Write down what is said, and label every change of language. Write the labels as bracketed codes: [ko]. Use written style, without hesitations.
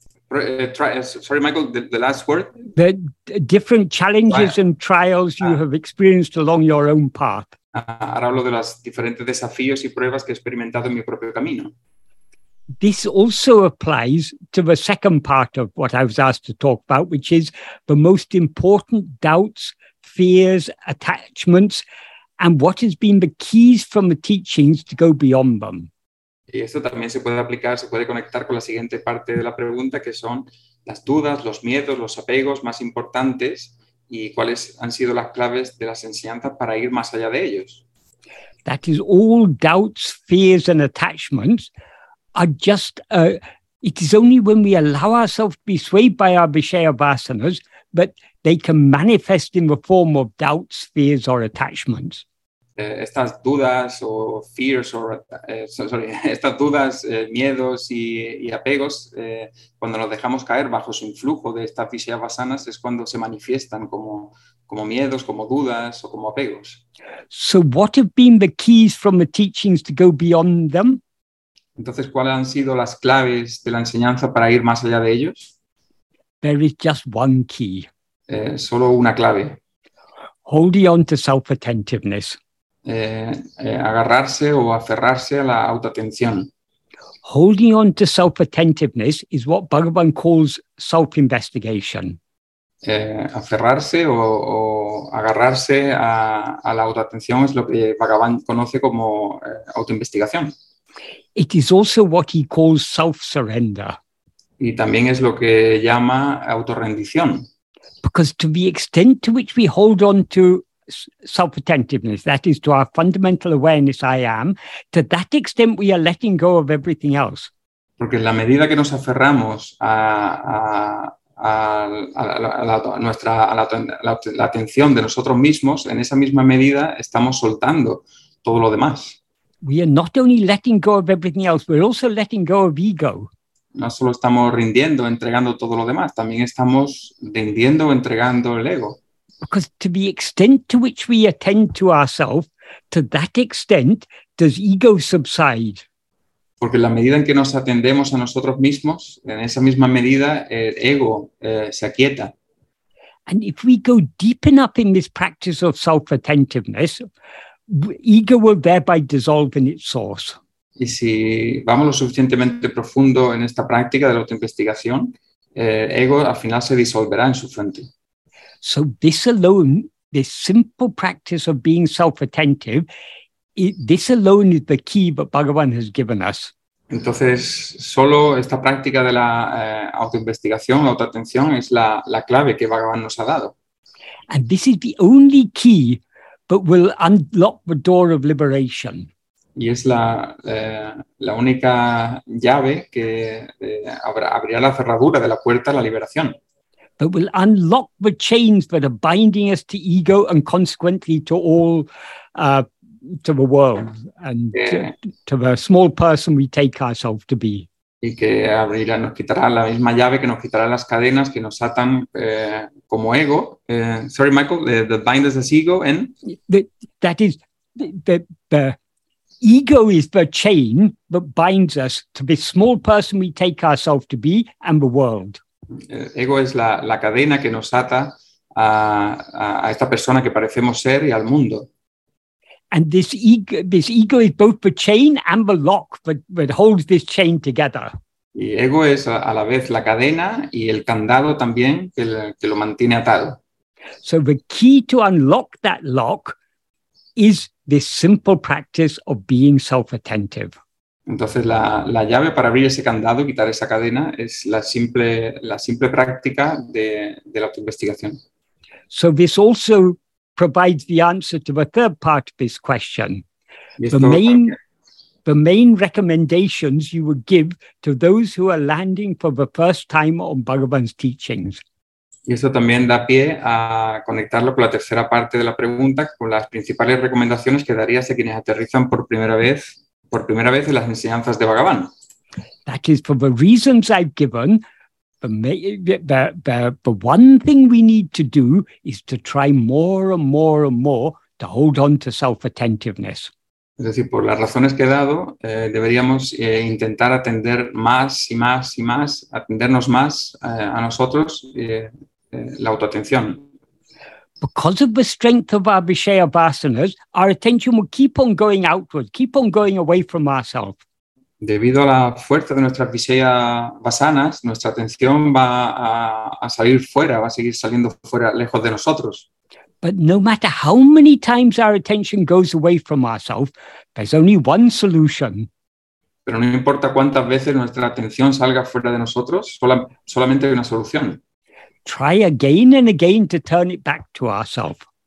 [en] The different challenges and trials you have experienced along your own path. [es] Ahora hablo de los diferentes desafíos y pruebas que he experimentado en mi propio camino. [en] This also applies to the second part of what I was asked to talk about, which is the most important doubts, fears, attachments, and what has been the keys from the teachings to go beyond them. [es] Y esto también se puede aplicar, se puede conectar con la siguiente parte de la pregunta, que son las dudas, los miedos, los apegos más importantes y cuáles han sido las claves de las enseñanzas para ir más allá de ellos. [en] That is all doubts, fears and attachments are just, it is only when we allow ourselves to be swayed by our vishaya-vasanas that they can manifest in the form of doubts, fears or attachments. [es] Estas dudas o [en] fears or [es] estas dudas, miedos y apegos, cuando nos dejamos caer bajo su influjo de estas viseas basanas es cuando se manifiestan como miedos, como dudas o como apegos. [en] So what have been the keys from the teachings to go beyond them? [es] Entonces, ¿cuáles han sido las claves de la enseñanza para ir más allá de ellos? [en] There is just one key. [es] Solo una clave. [en] Holding on to self-attentiveness. [es] Agarrarse o aferrarse a la autoatención. [en] Holding on to self-attentiveness is what Bhagavan calls self-investigation. [es] Aferrarse o agarrarse a la autoatención es lo que Bhagavan conoce como autoinvestigación. [en] It is also what he calls self-surrender. [es] Y también es lo que llama autorrendición. [en] Because to the extent to which we hold on to self-attentiveness, that is to our fundamental awareness, I am, to that extent we are letting go of everything else. [es] Porque en la medida que nos aferramos a la atención de nosotros mismos, en esa misma medida estamos soltando todo lo demás. [en] We are not only letting go of everything else, we're also letting go of ego. [es] No solo estamos rindiendo, entregando todo lo demás, también estamos rindiendo o entregando el ego. [en] Because to the extent to which we attend to ourselves, to that extent does ego subside. [es] Porque en la medida en que nos atendemos a nosotros mismos, en esa misma medida el ego se aquieta. [en] And if we go deep enough in this practice of self-attentiveness, ego will thereby dissolve in its source. [es] Y si vamos lo suficientemente profundo en esta práctica de la autoinvestigación, ego al final se disolverá en su fuente. [en] So this alone, this simple practice of being self-attentive, this alone is the key that Bhagavan has given us. [es] Entonces, solo esta práctica de la autoinvestigación, la autoatención, es la clave que Bhagavan nos ha dado. [en] And this is the only key that will unlock the door of liberation. [es] Y es la única llave que abrirá la cerradura de la puerta a la liberación. [en] That will unlock the chains that are binding us to ego and consequently to all, to the world and to the small person we take ourselves to be. [es] Y que abrirá, nos quitará la misma llave que nos quitará las cadenas que nos atan como ego. [en] Sorry, Michael, that binds us as ego and... That is... ego is the chain that binds us to the small person we take ourselves to be and the world. [es] Ego es la cadena que nos ata a esta persona que parecemos ser y al mundo. [en] And this ego is both the chain and the lock that holds this chain together. [es] Y ego es a la vez la cadena y el candado también que lo mantiene atado. [en] So the key to unlock that lock is this simple practice of being self-attentive. [es] Entonces la llave para abrir ese candado y quitar esa cadena es la simple práctica de la autoinvestigación. [en] So this also provides the answer to the third part of this question. The main recommendations you would give to those who are landing for the first time on Bhagavan's teachings. [es] Y esto también da pie a conectarlo con la tercera parte de la pregunta, con las principales recomendaciones que darías a quienes aterrizan por primera vez en las enseñanzas de Bhagavan. [en] That is, for the reasons I've given, the one thing we need to do is to try more and more and more to hold on to self-attentiveness. [es] Es decir, por las razones que he dado, deberíamos intentar atender más y más y más, atendernos más a nosotros, la autoatención. [en] Because of the strength of our Vishaya Vasanas, our attention will keep on going outward, keep on going away from ourselves. [es] Debido a la fuerza de nuestras Vishaya Vasanas, nuestra atención va a salir fuera, va a seguir saliendo fuera, lejos de nosotros. [en] But no matter how many times our attention goes away from ourselves, there's only one solution. [es] Pero no importa cuántas veces nuestra atención salga fuera de nosotros, solamente hay una solución. [en] Try again and again to turn it back to ourselves.